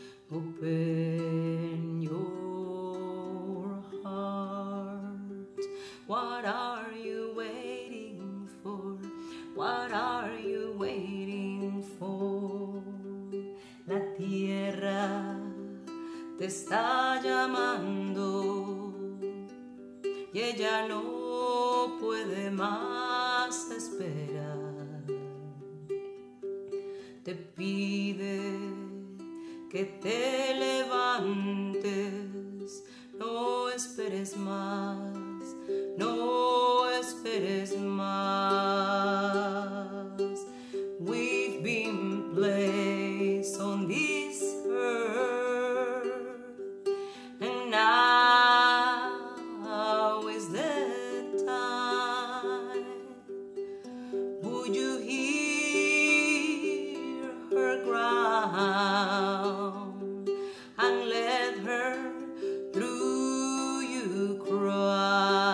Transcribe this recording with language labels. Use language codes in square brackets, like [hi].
[en] Open your heart, what are you waiting for? What are you waiting for? [es] La tierra te está llamando y ella no puede más esperar. Te pide que te levantes, no esperes más, no esperes más. [en] We've been placed on this earth, and now is the time. Would you hear her cry and let her through you cry?